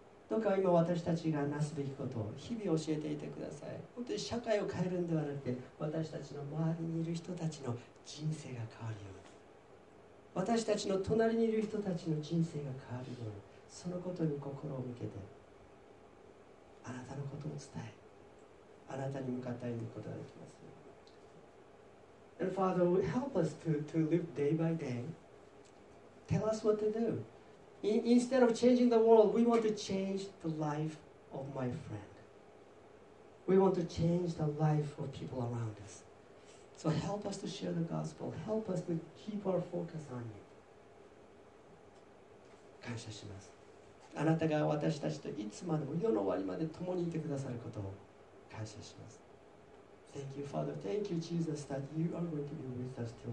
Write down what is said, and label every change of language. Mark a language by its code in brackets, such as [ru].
[ja] どうか今私たちがなすべきことを日々教えていてください。本当に社会を変えるんではなくて、私たちの周りにいる人たちの人生が変わるように。私たちの隣にいる人たちの人生が変わるように、そのことに心を向けて、あなたのことを伝え、あなたに向かって歩むことができます。 [en] And Father, help us to live day by day. Tell us what to do. Instead of changing the world, we want to change the life of my friend. We want to change the life of people around us. So help us to share the gospel. Help us to keep our focus on you. [ja] 感謝します。あなたが私たちといつまでも世の終わりまで共にいてくださることを感謝します。 [en] Thank you, Father. Thank you, Jesus, that you are going to be with us till the end of the world.